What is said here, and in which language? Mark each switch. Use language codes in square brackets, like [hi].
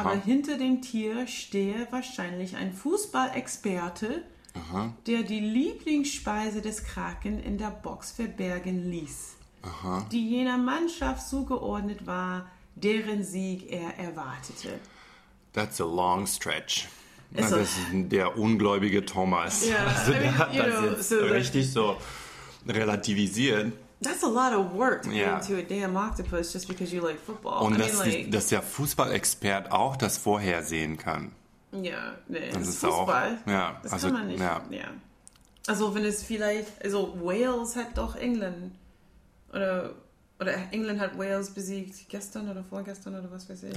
[de] Aber hinter dem Tier stehe wahrscheinlich ein Fußballexperte, der die Lieblingsspeise des Kraken in der Box verbergen ließ, die jener Mannschaft zugeordnet war, deren Sieg er erwartete. [en] That's a long stretch. [de] Das ist der ungläubige Thomas. [en] Yeah, [de] also der hat das jetzt so richtig so relativisiert. [en] That's a lot of work to get into a damn octopus just because you like football. [de] Und dass der Fußballexpert auch das vorhersehen kann. Ja, nee, das ist Fußball. Auch, ja, das also, kann man nicht. Ja. Ja. Also wenn es vielleicht, also Wales hat doch England oder England hat Wales besiegt gestern oder vorgestern oder was weiß ich.